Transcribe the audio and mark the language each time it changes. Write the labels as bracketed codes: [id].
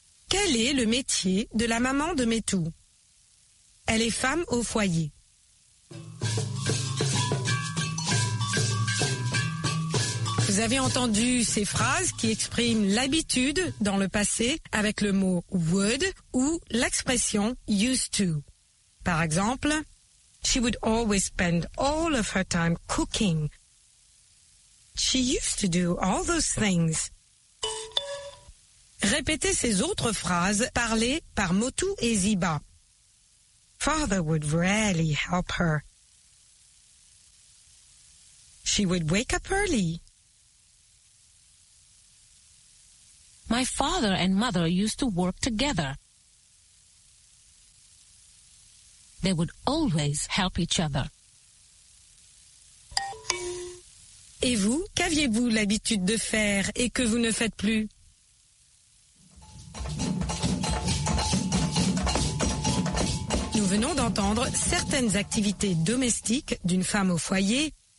[fr] Quel est le métier de la maman de Metu? Elle est femme au foyer. Vous avez entendu ces phrases qui expriment l'habitude dans le passé avec le mot « would » ou l'expression « used to ». Par exemple, « [en] She would always spend all of her time cooking ». She used to do all those things. [fr] Répétez ces autres phrases parlées par Motu et Ziba. [en] Father would rarely help her. She would wake up early. My father and mother used to work together. They would always help each other. [fr] Et vous, qu'aviez-vous l'habitude de faire et que vous ne faites plus? Nous venons d'entendre certaines activités domestiques d'une femme au foyer.